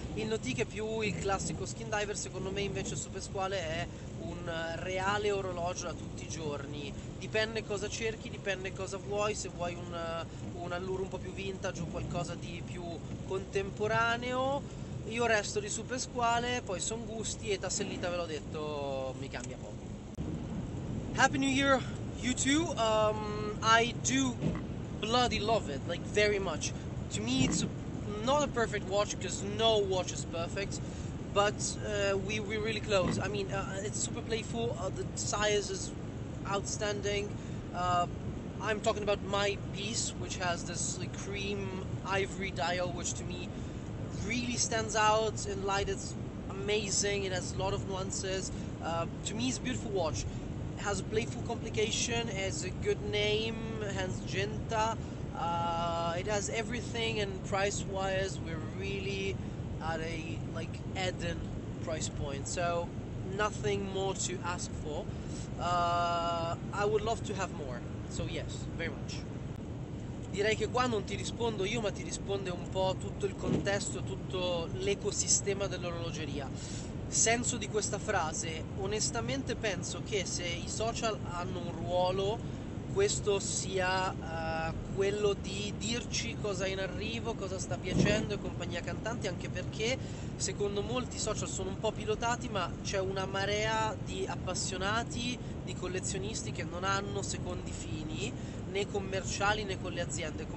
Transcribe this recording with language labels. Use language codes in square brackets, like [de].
[it] Il Nautique è più il classico skin diver, secondo me invece super squale è un reale orologio da tutti i giorni. Dipende cosa cerchi, dipende cosa vuoi. Se vuoi un allure un po' più vintage o qualcosa di più contemporaneo, io resto di super squale. Poi sono gusti e tassellita, ve l'ho detto, mi cambia poco. [en] Happy New Year, you too. I do bloody love it, like very much. To me, it's not a perfect watch because no watch is perfect. But we're really close. I mean, it's super playful, the size is outstanding. I'm talking about my piece, which has this like cream ivory dial, which to me really stands out in light. It's amazing, it has a lot of nuances. To me, it's a beautiful watch. It has a playful complication, it has a good name, hence Ginta. It has everything, and price-wise, we're really at a like Eden price point, so nothing more to ask for. I would love to have more, so yes, very much. [it] Direi che qua non ti rispondo io, ma ti risponde un po' tutto il contesto, tutto l'ecosistema dell'orologeria. Senso di questa frase, onestamente penso che se i social hanno un ruolo, questo sia quello di dirci cosa è in arrivo, cosa sta piacendo e compagnia cantante, anche perché secondo molti i social sono un po' pilotati, ma c'è una marea di appassionati, di collezionisti che non hanno secondi fini, né commerciali né con le aziende.